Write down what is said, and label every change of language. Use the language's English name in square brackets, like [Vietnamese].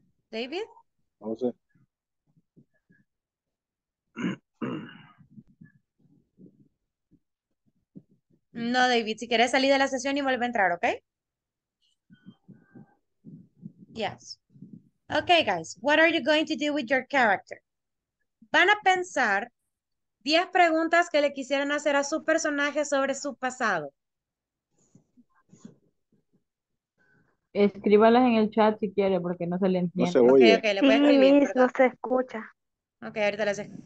[Spanish] David. José. No, David, si quieres salir de la sesión y vuelve a entrar, ¿ok? [English] Yes. Okay, guys, what are you going to do with your character? [Spanish] Van a pensar 10 preguntas que le quisieran hacer a su personaje sobre su pasado. Escríbalas en el chat si quiere, porque no se le entiende. No se oye. Okay, okay, le puede escribir. Sí, [English] Miss, [Spanish] no se escucha. Okay, ahorita las